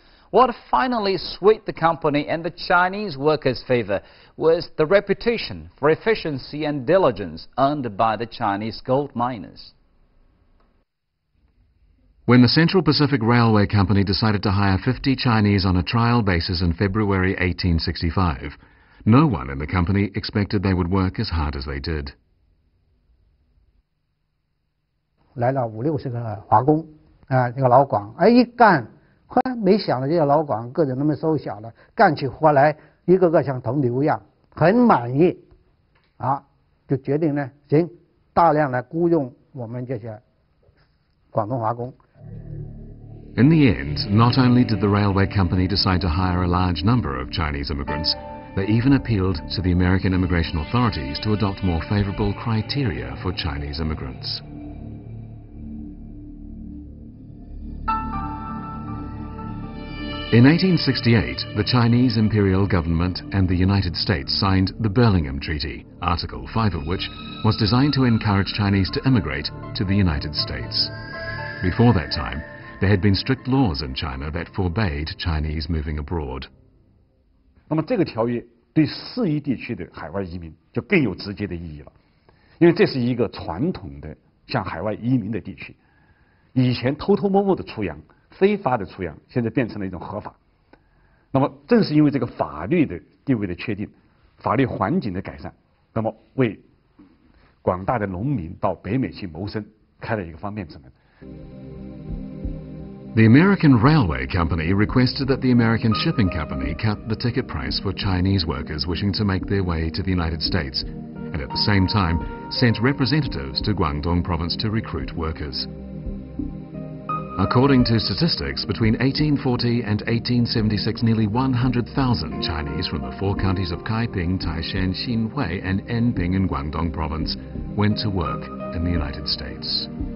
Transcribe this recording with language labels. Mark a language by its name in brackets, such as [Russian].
[English] What finally swayed the company and the Chinese workers' favor was the reputation for efficiency and diligence earned by the Chinese gold miners. When the Central Pacific Railway Company decided to hire 50 Chinese on a trial basis in February 1865, no one in the company expected they would work as hard as they did. [Chinese] 来了五六十个华工啊，这个老广，哎，一干，哈，没想到这些老广个子那么瘦小的，干起活来一个个像头牛一样，很满意，啊，就决定呢，行，大量来雇佣我们这些广东华工。 [English] In the end, not only did the railway company decide to hire a large number of Chinese immigrants, they even appealed to the American immigration authorities to adopt more favorable criteria for Chinese immigrants. In 1868, the Chinese imperial government and the United States signed the Burlingham Treaty, Article 5 of which was designed to encourage Chinese to immigrate to the United States. Before that time, there had been strict laws in China that forbade Chinese moving abroad. [Chinese] 那么这个条约对四夷地区的海外移民就更有直接的意义了，因为这是一个传统的向海外移民的地区，以前偷偷摸摸的出洋，非法的出洋，现在变成了一种合法。那么正是因为这个法律的地位的确定，法律环境的改善，那么为广大的农民到北美去谋生开了一个方便之门。 [English] The American Railway Company requested that the American Shipping Company cut the ticket price for Chinese workers wishing to make their way to the United States, and at the same time sent representatives to Guangdong Province to recruit workers. According to statistics, between 1840 and 1876, nearly 100,000 Chinese from the four counties of Kaiping, Taishan, Xinhui, and Anping in Guangdong Province went to work in the United States.